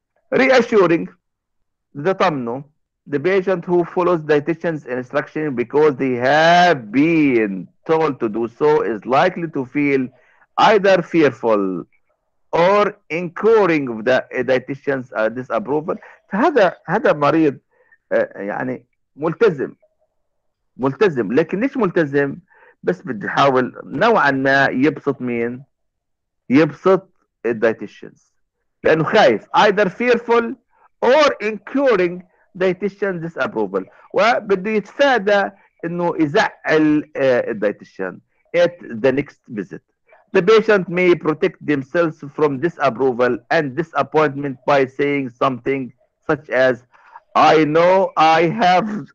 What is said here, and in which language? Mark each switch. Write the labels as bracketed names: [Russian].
[English] reassuring the tamno the patient who follows dietitian's instruction because they have been told to do so is likely to feel either fearful or incurring of the dietitian's disapproval. [Arabic] فهذا مريض يعني ملتزم لكن ليش ملتزم؟ بس بدي احاول نوعا ما يبسط مين؟ يبسط الدايتيشنز لانه خايف [English] either fearful or incurring dietitian disapproval [Arabic] وبده يتفادى انه يزعل الدايتيشن [English] at the next visit. the patient may protect themselves from disapproval and disappointment by saying something such as I know I have